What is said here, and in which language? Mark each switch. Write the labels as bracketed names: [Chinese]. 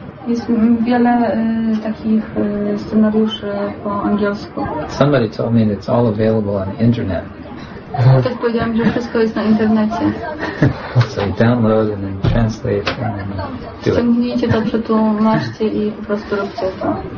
[Polish] Jest wiele takich scenariuszy po angielsku. [English] Somebody told me it's all available on the internet. [Polish] Ktoś powiedział mi, że wszystko jest na internecie. [English] So you download and then translate and do it. [Polish] Ściągnijcie to, przetłumaczcie i po prostu róbcie to.